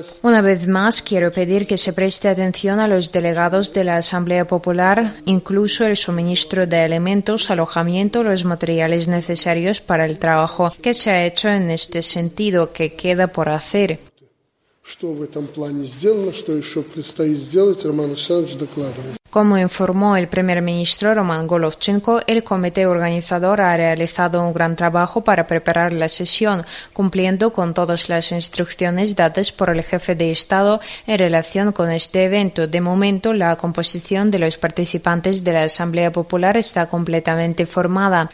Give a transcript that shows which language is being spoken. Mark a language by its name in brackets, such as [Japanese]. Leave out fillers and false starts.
[Spanish] Una vez más, quiero pedir que se preste atención a los delegados de la Asamblea Popular, incluso el suministro de alimentos, alojamiento, los materiales necesarios para el trabajo que se ha hecho en este sentido, que queda por hacer. [Russian] Что в этом плане сделано, что еще предстоит сделать, Роман Александрович докладывает. [Spanish] Como informó el primer ministro Roman Golovchenko, el comité organizador ha realizado un gran trabajo para preparar la sesión, cumpliendo con todas las instrucciones dadas por el jefe de Estado en relación con este evento. De momento, la composición de los participantes de la Asamblea Popular está completamente formada.